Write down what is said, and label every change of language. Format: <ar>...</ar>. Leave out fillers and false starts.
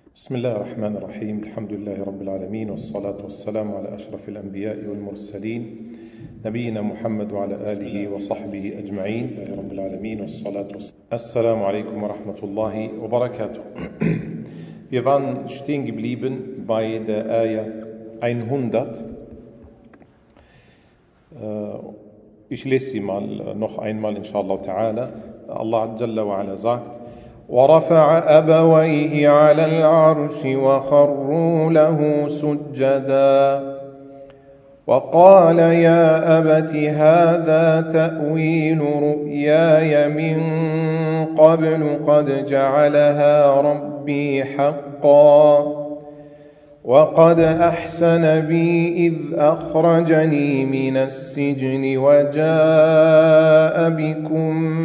<ar>بسم الله الرحمن الرحيم، الحمد لله رب العالمين، والصلاة والسلام على أشرف الأنبياء والمرسلين نبينا محمد وعلى آله وصحبه أجمعين، لله رب العالمين والصلاة والسلام. السلام عليكم ورحمة الله وبركاته.</ar> <de>Wir waren stehen geblieben bei der Ayah 100. Ich lese sie mal noch einmal,</de> <ar>inshallah ta'ala. Allah Jalla wa Ala</ar> <de>sagt:</de> <ar>ورفع أبويه على العرش وخروا له سجدا وقال يا أبت هذا تأويل رؤياي من قبل قد جعلها ربي حقا وقد أحسن بي إذ أخرجني من السجن وجاء بكم</ar>